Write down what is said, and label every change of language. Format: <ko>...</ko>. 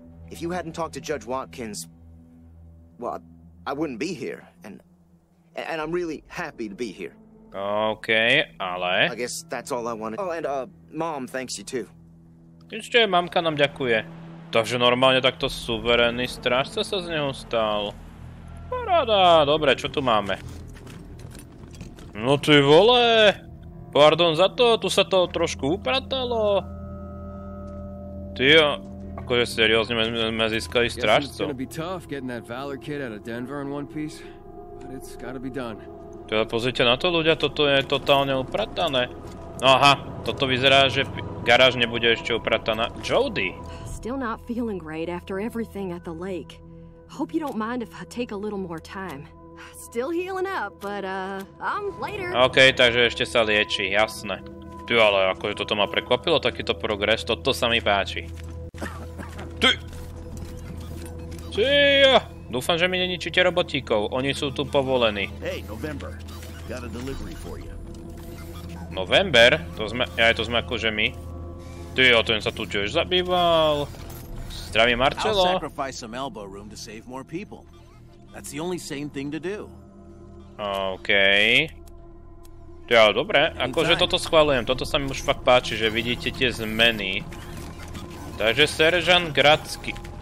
<en>If you hadn't talked to Judge Watkins, well, I wouldn't be here, And I'm really happy to be here.</en> <sk>Okay, ale...</sk> <en>I guess that's all I wanted. Oh, and, Mom thanks you too.</en> <sk>Ešte, mamka nám ďakuje. Takže normálne takto suverénny strážca sa z neho stal. Paráda, dobre, čo tu máme? No ty vole! Pardon za to, tu sa to trošku upratalo. Tyjo, akože seriózne sme získali strážcu. Myslím, že to bude ťažké, ktorým toho Valor kidu z Denveru v jednom piece.</sk> <en>It's gotta be done.</en> <sk>Teda pozrite na to, ľudia, toto je totálne upratané. No aha, toto vyzerá, že garáž nebude ešte uprataná. Jody!</sk> <en>Still not feeling great after everything at the lake. Hope you don't mind if I take a little more time. Still healing up, but I'm later.</en> <sk>OK, takže ešte sa lieči, jasné. Ty, ale akože toto ma prekvapilo, takýto progres, toto sa mi páči. Ty! Tyjo! Dúfam, že mi neničíte robotíkov. Oni sú tu povolení.</sk> <en>Hey, November. Got a delivery for you.</en> <sk>November? To sme... Aj to sme akože my. Tyjo, ten sa tu tiež zabýval. Zdraví Marcelo.</sk> <en>I'll sacrifice some elbow room to save more people. That's the only sane thing to do.</en> <sk>Okej. Tyjo, ale dobre. Akože toto schvaľujem. Toto sa mi už fakt páči, že vidíte tie zmeny. Takže seržant Gradsky...</sk>